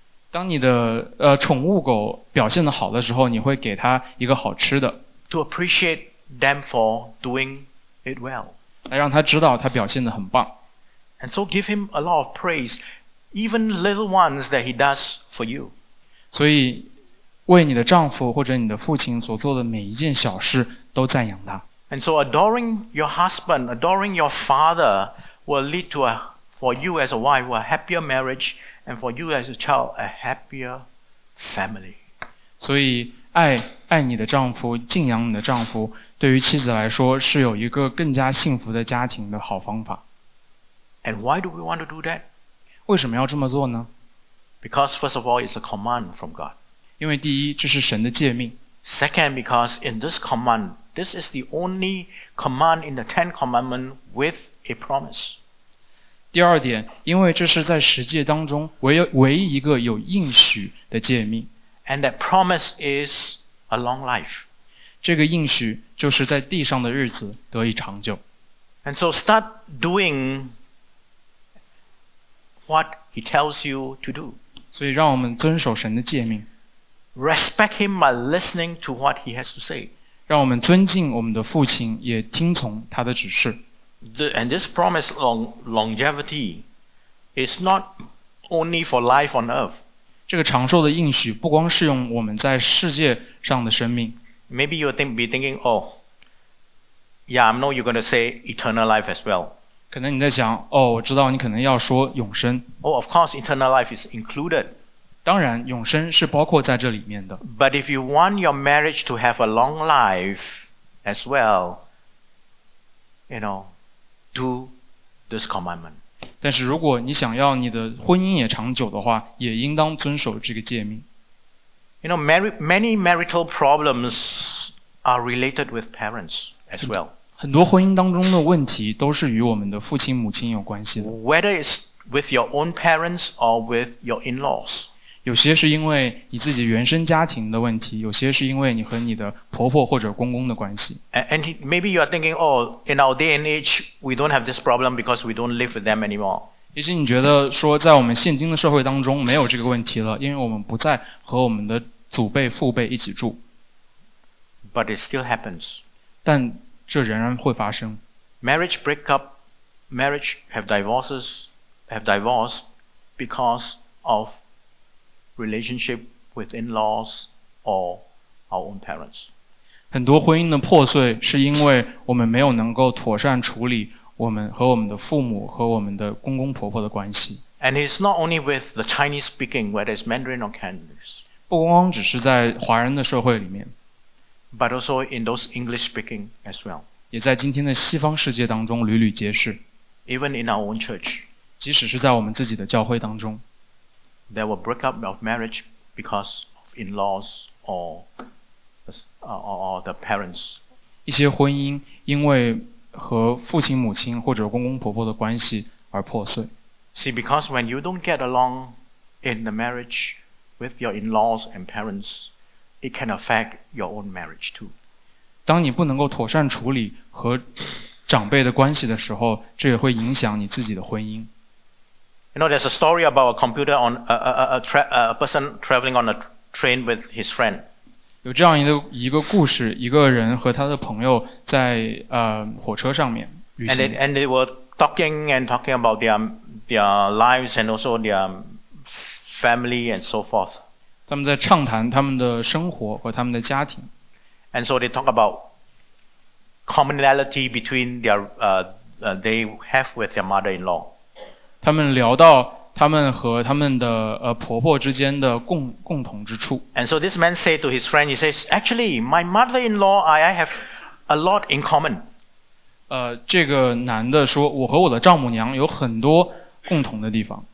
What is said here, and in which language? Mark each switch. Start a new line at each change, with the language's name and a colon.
Chinese: 当你的宠物狗表现得好的时候，你会给他一个好吃的。
English: To appreciate them for doing it well.
Chinese: 来让他知道他表现得很棒。
English: And so give him a lot of praise, even little ones that he does for you.
Chinese: 所以为你的丈夫或者你的父亲所做的每一件小事都赞扬他。
English: And so adoring your husband, adoring your father will lead to for you as a wife, a happier marriage, and for you as a child, a happier family.
Chinese: 所以爱你的丈夫，敬仰你的丈夫，对于妻子来说是有一个更加幸福的家庭的好方法。
English: And why do we want to do that?
Chinese: 为什么要这么做呢？
English: Because first of all, it's a command from God.
Chinese: 因为第一，这是神的诫命。
English: Second, because in this command, this is the only command in the Ten Commandments with a promise.
Chinese: 第二点，因为这是在十诫当中唯一一个有应许的诫命。
English: And that promise is a long life.
Chinese: 这个应许就是在地上的日子得以长久。
English: And so start doing what he tells you to do.
Chinese: 所以让我们遵守神的诫命。
English: Respect him by listening to what he has to say.
Chinese: 让我们尊敬我们的父亲，也听从他的指示。
English: And this promise of longevity is not only for life on earth.
Chinese: 这个长寿的应许不光适用我们在世界上的生命。
English: Maybe you'll be thinking, oh, yeah, I know you're going to say eternal life as well.
Chinese: 可能你在想，哦，我知道你可能要说永生。
English: Oh, of course, eternal life is included.
Chinese: 当然，永生是包括在这里面的。
English: But if you want your marriage to have a long life as well, you know, do this commandment.
Chinese: 但是如果你想要你的婚姻也长久的话，也应当遵守这个诫命。
English: You know, many marital problems are related with parents as well.
Chinese: 很多婚姻当中的问题都是与我们的父亲母亲有关系的。
English: Whether it's with your own parents or with your in-laws.
Chinese: 有些是因为你自己原生家庭的问题，有些是因为你和你的婆婆或者公公的关系。
English: And maybe you are thinking, oh, in our day and age, we don't have this problem because we don't live with them anymore.
Chinese: 也许你觉得说在我们现今的社会当中没有这个问题了，因为我们不再和我们的祖辈父辈一起住。
English: But it still happens.
Chinese: 但这仍然会发生。
English: Marriage break up, marriage have divorced because of relationship with in-laws or our own parents.
Chinese: 很多婚姻的破碎是因为我们没有能够妥善处理我们和我们的父母和我们的公公婆婆的关系。
English: And it's not only with the Chinese speaking, whether it's Mandarin or Cantonese.
Chinese: 不光只是在华人的社会里面。
English: But also in those English speaking as well.
Chinese: 也在今天的西方世界当中屡屡皆是。
English: Even in our own church.
Chinese: 即使是在我们自己的教会当中。
English: There were break up of marriage because of in-laws or the parents.
Chinese: 一些婚姻因为和父亲母亲或者公公婆婆的关系而破碎。
English: See, because when you don't get along in the marriage with your in-laws and parents,It can affect your own marriage too.
Chinese: 当你不能够妥善处理和长辈的关系的时候，这也会影响你自己的婚姻。
English: You know, there's a story about a computer on a person traveling on a train with his friend.
Chinese: 有这样一个故事，一个人和他的朋友在火车上面旅行。
English: And they were talking about their lives and also their family and so forth.
Chinese: 他们在畅谈他们的生活和他们的家庭。
English: And so they talk about commonality between they have with their mother-in-law.
Chinese: 他们聊到他们和他们的婆婆之间的共同之处。
English: And so this man said to his friend, he says, actually, my mother-in-law, I have a lot in common.
Chinese: 这个男的说，我和我的丈母娘有很多共同的地方。